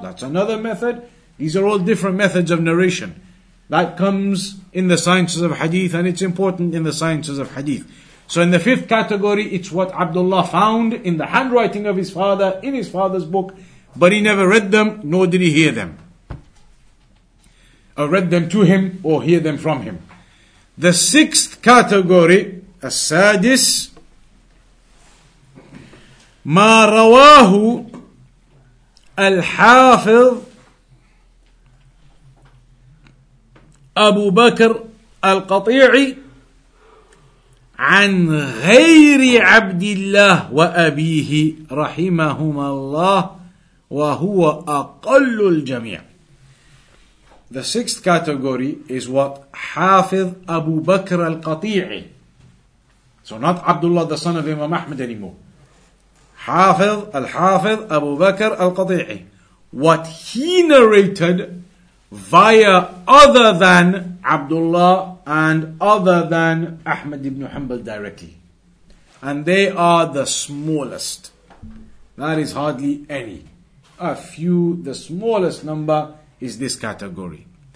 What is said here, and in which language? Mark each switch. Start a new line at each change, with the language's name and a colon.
English: That's another method. These are all different methods of narration. That comes in the sciences of hadith, and it's important in the sciences of hadith. So in the fifth category, it's what Abdullah found in the handwriting of his father, in his father's book, but he never read them, nor did he hear them. Or read them to him, or hear them from him. The sixth category, as-sadis,
Arabic: مَا رَوَاهُ الْحَافِظُ أبو بكر القطيعي عن غير عبد الله وأبيه رحمهما الله وهو أقل الجميع.
English: The sixth category is what حافظ أبو بكر القطيعي. So not Abdullah the son of Imam Ahmad anymore.
Arabic: حافظ الحافظ أبو بكر القطيعي.
English: What he narrated via other than Abdullah and other than Ahmad ibn Hanbal directly. And they are the smallest. That is hardly any. A few, the smallest number is this category.